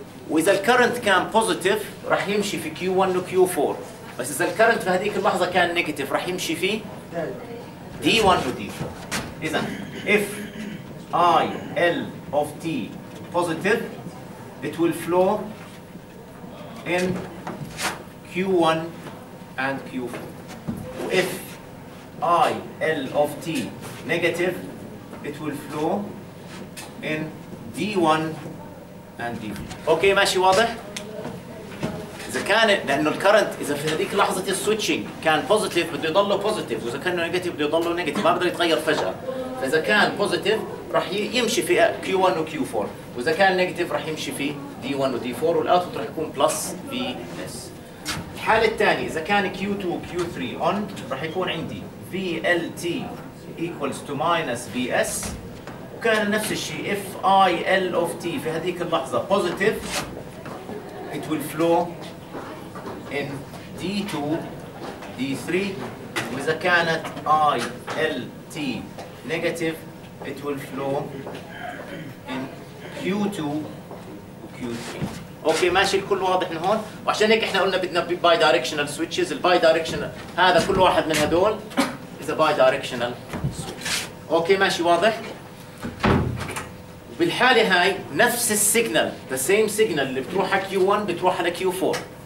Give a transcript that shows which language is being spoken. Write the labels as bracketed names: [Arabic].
[Arabic] واذا الكرنت كان بوزيتيف راح يمشي في كيو 1 وكيو 4، بس اذا الكرنت في هذيك اللحظه كان نيجاتيف راح يمشي في دي 1 ودي 4. [English] اذا if I L of T positive it will flow in Q1 and Q4. If I L of T negative, it will flow in D1 and D4. [Arabic] Okay, ماشي واضح؟ إذا كان لأنه الكرنت إذا في هذيك لحظة السويتشنج كان بوزيتيف بده يضل بوزيتيف، وإذا كان نيجاتيف بده يضل نيجاتيف، ما بقدر يتغير فجأة. فإذا كان بوزيتيف راح يمشي في Q1 وQ4، وإذا كان نيجاتيف راح يمشي في D1 وD4، والأوتبوت راح يكون بلس VS. الحالة الثانية إذا كان Q2 وQ3 on راح يكون عندي [English] VLT equals to minus VS، [Arabic] وكان نفس الشيء [English] if IL of T [Arabic] في هذيك اللحظة بوزيتيف [English] it will flow in D2 D3، [Arabic] وإذا كانت ILT negative [English] it will flow in Q2 Q3. [Arabic] اوكي ماشي الكل واضح من هون؟ وعشان هيك احنا قلنا بدنا باي دايركشنال سويتشز، الباي دايركشنال هذا كل واحد من هدول اذا باي دايركشنال سويتش. اوكي ماشي واضح؟ بالحاله هاي نفس السيجنال، [English] the same signal [Arabic] اللي بتروح على Q1 بتروح على Q4.